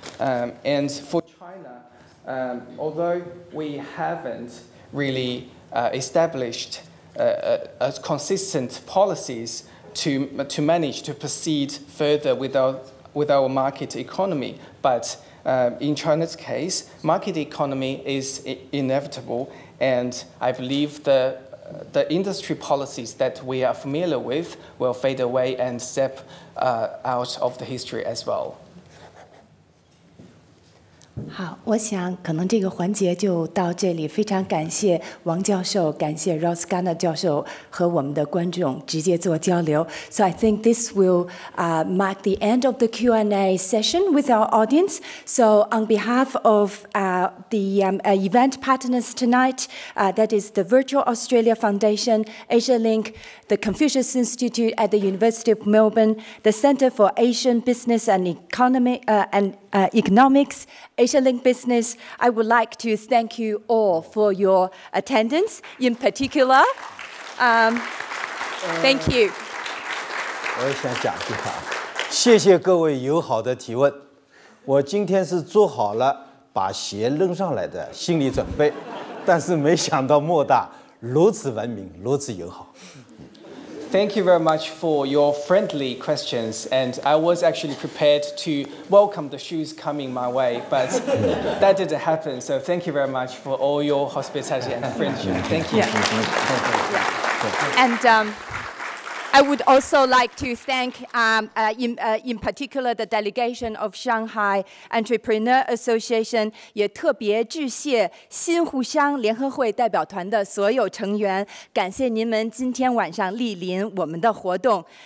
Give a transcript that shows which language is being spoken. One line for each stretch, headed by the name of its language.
English: And for China, although we haven't really established as consistent policies to manage to proceed further with our market economy, but in China's case, market economy is inevitable, and I believe the industry policies that we are familiar with will fade away and step out of the history as well.
Chinese: 好，我想可能这个环节就到这里。非常感谢王教授，感谢 Ross Garnaut 教授和我们的观众直接做交流。
English: So I think this will mark the end of the Q&A session with our audience. So on behalf of event partners tonight, that is the Virtual Australia Foundation, Asia Link, the Confucius Institute at the University of Melbourne, the Centre for Asian Business and Economy Economics, Asia Link Business, I would like to thank you all for your attendance, in particular. Thank you.
Chinese: 我想讲句话，谢谢各位友好的提问。我今天是做好了把鞋扔上来的心理准备，但是没想到莫大如此文明，如此友好。
English: Thank you very much for your friendly questions, and I was actually prepared to welcome the shoes coming my way, but that didn't happen. So thank you very much for all your hospitality and friendship. Thank you. Yeah. And I would also like to thank, in particular, the delegation of Shanghai Entrepreneur Association,
Chinese: 也特别致谢新互相联合会代表团的所有成员，感谢您们今天晚上莅临我们的活动。